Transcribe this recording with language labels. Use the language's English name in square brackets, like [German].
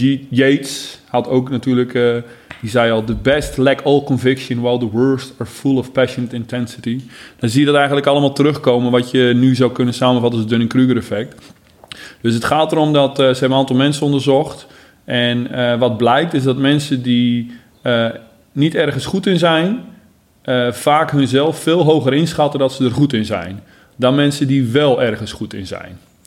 [Dutch] Yeats had ook natuurlijk... die zei al... [English] The best lack all conviction, while the worst are full of passionate intensity. [Dutch] Dan zie je dat eigenlijk allemaal terugkomen, wat je nu zou kunnen samenvatten als het Dunning-Kruger effect. Dus het gaat erom dat ze hebben een aantal mensen onderzocht. En wat blijkt is dat mensen die niet ergens goed in zijn... vaak hunzelf veel hoger inschatten dat ze er goed in zijn dan mensen die wel ergens goed in zijn.